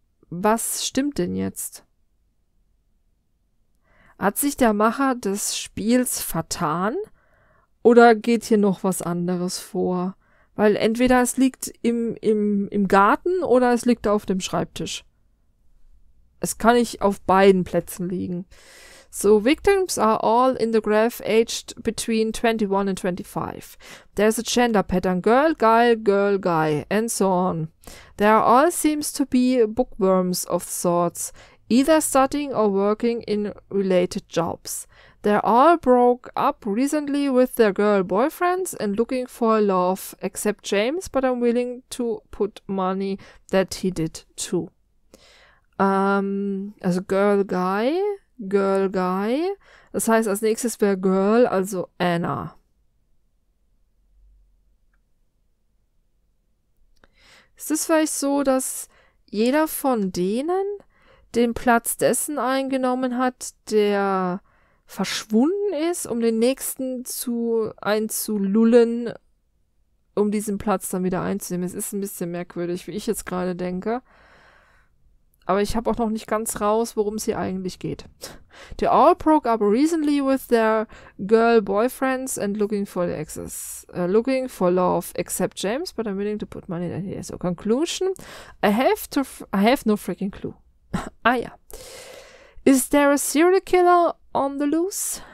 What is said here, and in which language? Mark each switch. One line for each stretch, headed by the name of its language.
German: Was stimmt denn jetzt? Hat sich der Macher des Spiels vertan? Oder geht hier noch was anderes vor? Weil entweder es liegt im Garten oder es liegt auf dem Schreibtisch. Es kann nicht auf beiden Plätzen liegen.
English: So, victims are all in the graph aged between 21 and 25. There's a gender pattern. Girl, guy, girl, guy. And so on. There all seems to be bookworms of sorts. Either studying or working in related jobs. They all broke up recently with their girl boyfriends and looking for love, except James, but I'm willing to put money that he did too. Also girl, guy, girl, guy.
German: Das heißt, als nächstes wäre girl, also Anna. Ist es vielleicht so, dass jeder von denen den Platz dessen eingenommen hat, der verschwunden ist, um den nächsten einzulullen, um diesen Platz dann wieder einzunehmen. Es ist ein bisschen merkwürdig, wie ich jetzt gerade denke. Aber ich habe auch noch nicht ganz raus, worum es hier eigentlich geht.
English: They all broke up recently with their girl boyfriends and looking for the exes. Looking for love, except James, but I'm willing to put money in here. So, conclusion. I have no freaking clue. Ah ja. Is there a serial killer on the loose?